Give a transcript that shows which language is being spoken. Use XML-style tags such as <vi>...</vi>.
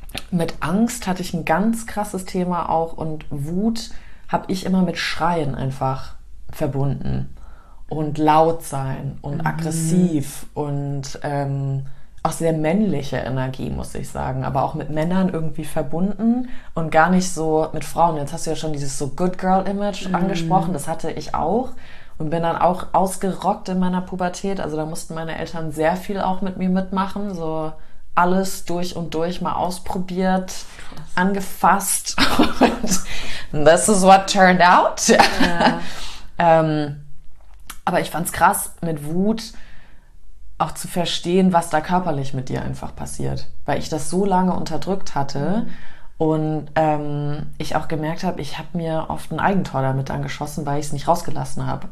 <de>Mit Angst hatte ich ein ganz krasses Thema auch und Wut habe ich immer mit Schreien einfach verbunden und laut sein und aggressiv und auch sehr männliche Energie, muss ich sagen, aber auch mit Männern irgendwie verbunden und gar nicht so mit Frauen. Jetzt hast du ja schon dieses so Good Girl Image angesprochen, das hatte ich auch. Und bin dann auch ausgerockt in meiner Pubertät. Also da mussten meine Eltern sehr viel auch mit mir mitmachen. So alles durch und durch mal ausprobiert, angefasst. Und</de> <en>this is what turned out.</en> <de>Ja. aber ich fand's krass, mit Wut auch zu verstehen, was da körperlich mit dir einfach passiert. Weil ich das so lange unterdrückt hatte. Und ich auch gemerkt habe, ich habe mir oft ein Eigentor damit angeschossen, weil ich es nicht rausgelassen habe.</de>